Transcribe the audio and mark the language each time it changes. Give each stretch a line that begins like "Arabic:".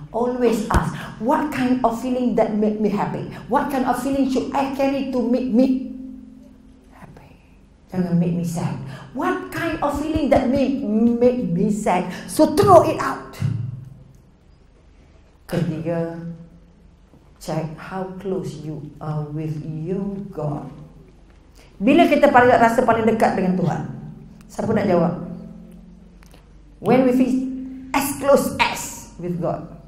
English: Always ask, what kind of feeling that make me happy? What kind of feeling should I carry to make me happy?
Malay: Jangan
English: make me sad. What kind of feeling that make me sad? So throw it out. Ketiga, check how close you are with your God.
Malay: Bila kita rasa paling dekat dengan Tuhan? Siapa nak jawab?
English: When we feel as close as with God?